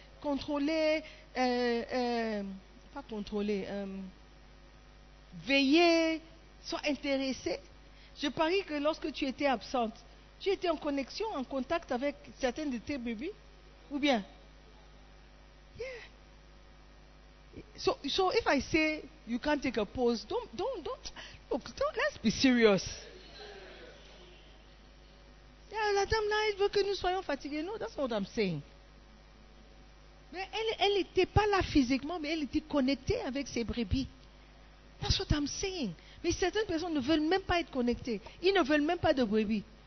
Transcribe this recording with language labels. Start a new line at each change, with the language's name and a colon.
French: Contrôlez, veillez, sois intéressé. Je parie que lorsque tu étais absente, Tu étais en connexion, en contact avec certaines de tes bébés? Ou bien? Yeah.
English: So if I say you can't take a pause, don't let's be serious.
French: Yeah, la dame là, elle veut que nous soyons fatigués.
English: No, that's not what I'm saying.
French: Mais elle n'était pas là physiquement, mais elle était connectée avec ses brebis.
English: That's what I'm saying.
French: Mais certaines personnes ne veulent même pas être connectées. Ils ne veulent même pas de brebis.